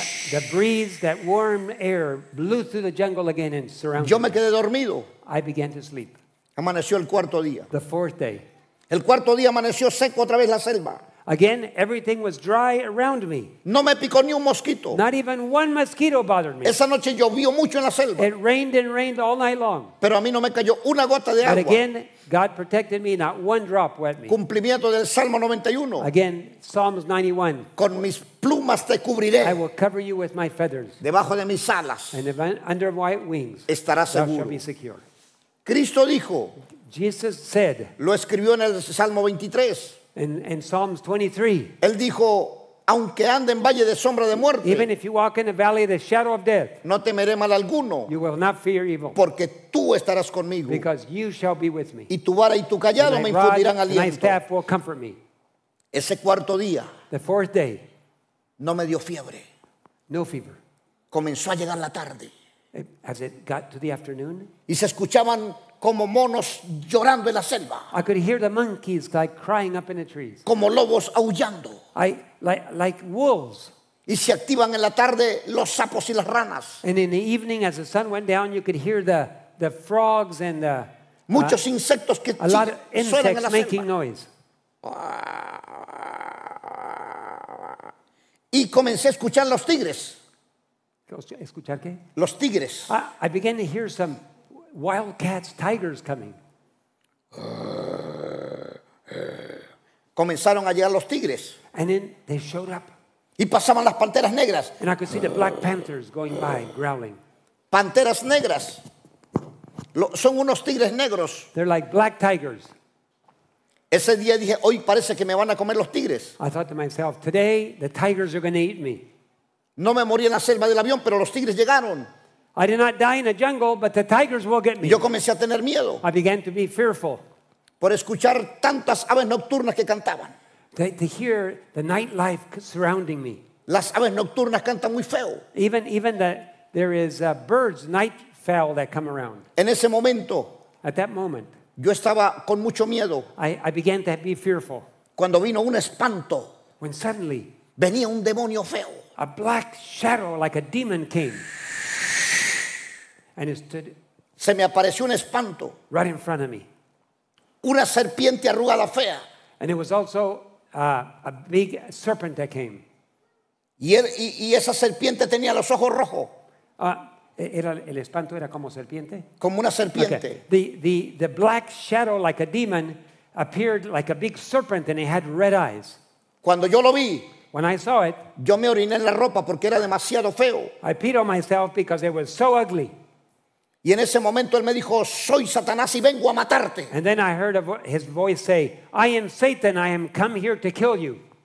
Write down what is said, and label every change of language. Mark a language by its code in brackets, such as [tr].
[en] The breeze, that warm air, blew through the jungle again and surrounded [es] me. Yo me quedé dormido. [en] I began to sleep. [es] Amaneció el cuarto día. [en] The fourth day. [es] El cuarto día amaneció seco otra vez la selva. [en] Again, everything was dry around me. [es] No me picó ni un mosquito. [en] Not even one mosquito bothered me. [es] Esa noche llovió mucho en la selva. [en] It rained and rained all night long. [es] Pero a mí no me cayó una gota de agua. [en] But again, God protected me, not one drop wet me. [es] Cumplimiento del Salmo 91. [en] Again, Psalms 91. [es] Con mis plumas te cubriré. [en] I will cover you with my feathers. [es] Debajo de mis alas. [en] And under my wings. [es] Estarás seguro. [en] Thou shalt be secure. [es] Cristo dijo. [en] Jesus said. [es] Lo escribió en el Salmo 23. [en] In Psalms 23. [es] Él dijo, aunque ande en valle de sombra de muerte. [en] Even if you walk in the valley of the shadow of death. [es] No temeré mal alguno. [en] You will not fear evil. [es] Porque tú estarás conmigo. [en] Because you shall be with me. [es] Y tu vara y tu callado me infundirán aliento. [en] And my staff will comfort me. [es] Ese cuarto día. [en] The fourth day. [es] No me dio fiebre. [en] No fever. [es] Comenzó a llegar la tarde. [en] As it got to the afternoon. [es] Y se escuchaban como monos llorando en la selva. [en] I could hear the monkeys like crying up in the trees. [es] Como lobos aullando. [en] Like wolves. [es] Y se activan en la tarde los sapos y las ranas. [en] And in the evening as the sun went down you could hear the frogs and the [es] muchos insectos que [en] a lot of insects making noise. [es] Y comencé a escuchar los tigres. ¿Escuchar qué? Los tigres. [en] I began to hear some wildcats, tigers coming. [es] Comenzaron a llegar los tigres. [en] And then they showed up. [es] Y pasaban las panteras negras. [en] And I could see the black panthers going by, growling. [es] Panteras negras. Son unos tigres negros. [en] They're like black tigers. [es] Ese día dije, hoy parece que me van a comer los tigres. [en] I thought to myself, today the tigers are going to eat me. [es] No me morí en la selva del avión, pero los tigres llegaron. [en] I did not die in a jungle, but the tigers will get me. [es] Yo comencé a tener miedo. [en] I began to be fearful. [es] Por escuchar tantas aves nocturnas que cantaban. [en] To hear the nightlife surrounding me. [es] Las aves nocturnas cantan muy feo. [en] Even that there is birds, nightfowl that come around. [es] En ese momento. [en] At that moment. [es] Yo estaba con mucho miedo. [en] I began to be fearful. [es] Cuando vino un espanto. [en] When suddenly. [es] Venía un demonio feo. [en] A black shadow like a demon came. And it stood [es] se me apareció un espanto. [en] Right in front of me. [es] Una serpiente arrugada fea. [en] And it was also a big serpent that came. [es] Y esa serpiente tenía los ojos rojos. El espanto era como serpiente. Como una serpiente. [en] Okay. The black shadow like a demon appeared like a big serpent and it had red eyes. [es] Cuando yo lo vi. [en] When I saw it. [es] Yo me oriné en la ropa porque era demasiado feo. [en] I peed on myself because it was so ugly. [es] Y en ese momento él me dijo, soy Satanás y vengo a matarte. [en] And then I heard his voice say, I am Satan, I am come here to kill you.